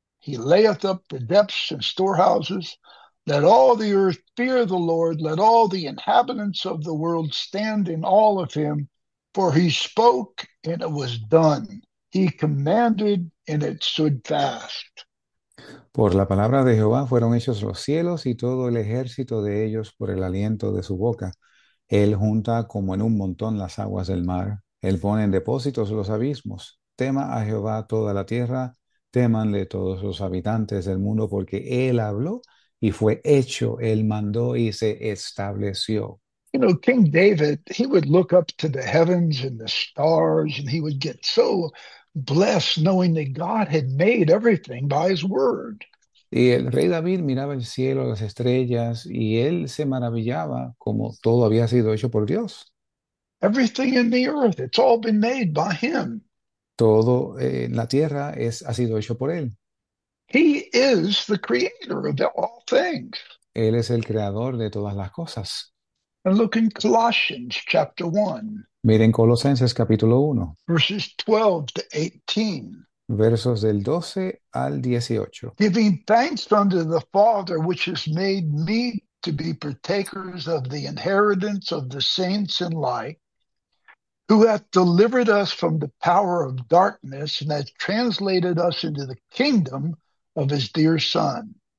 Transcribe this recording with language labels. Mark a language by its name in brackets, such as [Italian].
[English] He layeth up the depths and storehouses. Let all the earth fear the Lord. Let all the inhabitants of the world stand in awe of him. For he spoke, and it was done. He commanded, and it stood fast. [Spanish] por la palabra de Jehová fueron hechos los cielos y todo el ejército de ellos por el aliento de su boca. Él junta como en un montón las aguas del mar. Él pone en depósitos los abismos. Tema a Jehová toda la tierra. Témanle todos los habitantes del mundo porque él habló y fue hecho. Él mandó y se estableció. [English] King David, he would look up to the heavens and the stars, and he would get so blessed knowing that God had made everything by his word. [Spanish] Y el rey David miraba el cielo, las estrellas, y él se maravillaba como todo había sido hecho por Dios. [English] Everything in the earth, it's all been made by him. [Spanish] Todo en la tierra es ha sido hecho por él. [English] He is the creator of all things. [Spanish] Él es el creador de todas las cosas. [English] And look in Colossians chapter 1, [Spanish] Miren Colosenses capítulo 1, [English] verses 12 to 18. [Spanish] versos del 12 al 18. [English] Giving thanks unto the Father, which has made me to be partakers of the inheritance of the saints in light, who hath delivered us from the power of darkness and hath translated us into the kingdom of his dear Son.